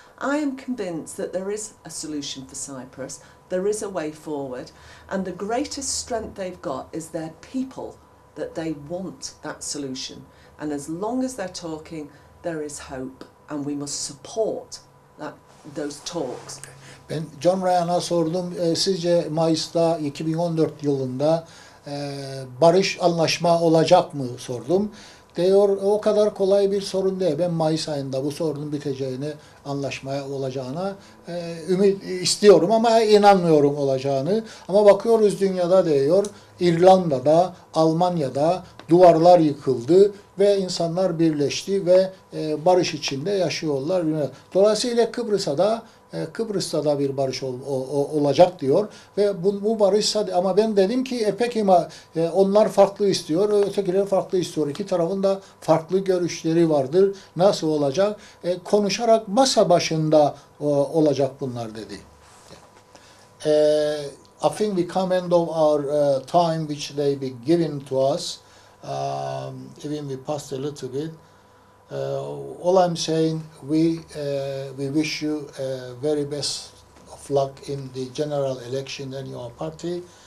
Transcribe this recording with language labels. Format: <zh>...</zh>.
<en>I am convinced that there is a solution for Cyprus. There is a way forward, and the greatest strength they've got is their people, that they want that solution. And as long as they're talking, there is hope, and we must support that, those talks.</en> <tr>Ben John Ryan'a sordum, sizce Mayıs'ta 2014 yılında barış anlaşma olacak mı sordum. Diyor, o kadar kolay bir sorun değil. Ben Mayıs ayında bu sorunun biteceğini, anlaşmaya olacağına ümit istiyorum ama inanmıyorum olacağını. Ama bakıyoruz dünyada diyor, İrlanda'da, Almanya'da duvarlar yıkıldı ve insanlar birleşti ve barış içinde yaşıyorlar. Dolayısıyla Kıbrıs'ta da bir barış olacak diyor ve bu barışsa, ama ben dedim ki peki onlar farklı istiyor, ötekiler farklı istiyor, iki tarafın da farklı görüşleri vardır, nasıl olacak, konuşarak masa başında olacak bunlar dedi.</tr> <en>I think we come end of our time which they be given to us, even we passed a little bit. All I'm saying, we wish you very best of luck in the general election and your party.</en>